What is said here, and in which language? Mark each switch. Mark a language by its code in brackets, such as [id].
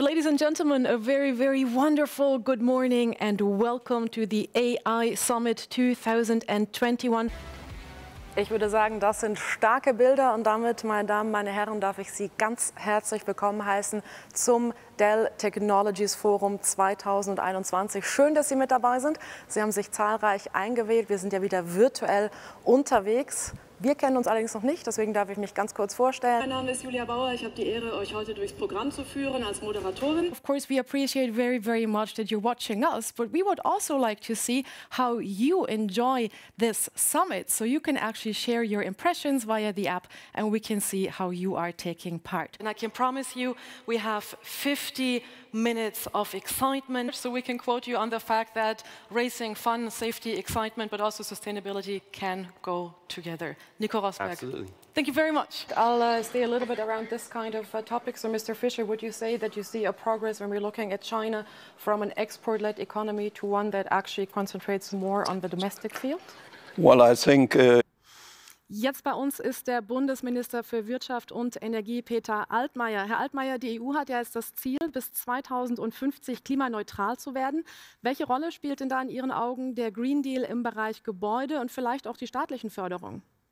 [en] Ladies and gentlemen, a very, very wonderful good morning and welcome to the AI Summit 2021. [de] Ich würde sagen, das sind starke Bilder und damit, meine Damen, meine Herren, darf ich Sie ganz herzlich willkommen heißen zum Dell Technologies Forum 2021. Schön, dass Sie mit dabei sind. Sie haben sich zahlreich eingewählt. Wir sind ja wieder virtuell unterwegs. Wir kennen uns allerdings noch nicht, deswegen darf ich mich ganz kurz vorstellen. Mein Name ist Julia Bauer. Ich habe die Ehre, euch heute durchs Programm zu führen als Moderatorin. [en] Of course, we appreciate very, very much that you're watching us, but we would also like to see how you enjoy this summit. So you can actually share your impressions via the app and we can see how you are taking part. And I can promise you, we have 50 minutes of excitement. So we can quote you on the fact that racing, fun, safety, excitement, but also sustainability can go together. Nico Rosberg. Absolutely. Thank you very much. I'll stay a little bit around this kind of topic. So, Mr. Fischer, would you say that you see a progress when we're looking at China from an export-led economy to one that actually concentrates more on the domestic field? Well, I think... [de] Jetzt bei uns ist der Bundesminister für Wirtschaft und Energie, Peter Altmaier. Herr Altmaier, die EU hat ja jetzt das Ziel, bis 2050 klimaneutral zu werden. Welche Rolle spielt denn da in Ihren Augen der Green Deal im Bereich Gebäude und vielleicht auch die staatlichen Förderungen?